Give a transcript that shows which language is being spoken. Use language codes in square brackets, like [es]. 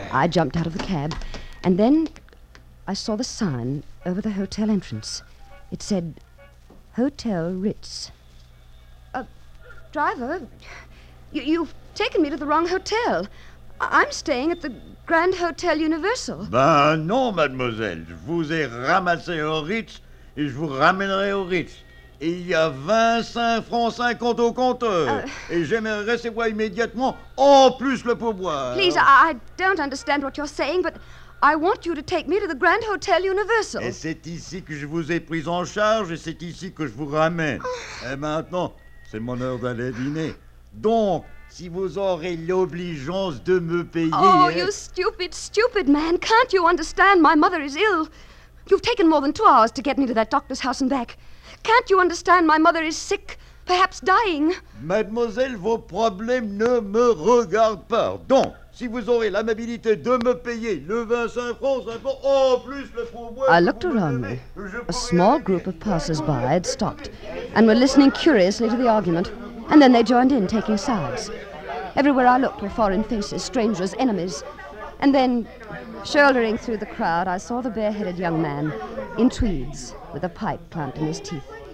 [en] I jumped out of the cab, and then I saw the sign over the hotel entrance. It said, Hotel Ritz. Driver, you've taken me to the wrong hotel. I'm staying at the Grand Hotel Universal. [fr] Ben non, mademoiselle. Je vous ai ramassé au Ritz et je vous ramènerai au Ritz. Et il y a 25 francs 50 au compteur. Et j'aimerais recevoir immédiatement en plus le pourboire. [en] Please, I don't understand what you're saying, but I want you to take me to the Grand Hotel Universal. [fr] Et c'est ici que je vous ai pris en charge et c'est ici que je vous ramène. Et maintenant, c'est mon heure d'aller dîner. Donc, si vous aurez l'obligeance de me payer... [en] Oh, you stupid, stupid man. Can't you understand? My mother is ill. You've taken more than 2 hours to get me to that doctor's house and back. Can't you understand? My mother is sick, perhaps dying. [fr] Mademoiselle, vos problèmes ne me regardent pas. Donc, si vous aurez l'amabilité de me payer le 25 francs, un franc, en plus le pourboire... [en] I looked around me. A small group of passers-by had stopped and were listening curiously to the argument, and then they joined in, taking sides. Everywhere I looked were foreign faces, strangers, enemies. And then, shouldering through the crowd, I saw the bareheaded young man in tweeds with a pipe clamped in his teeth.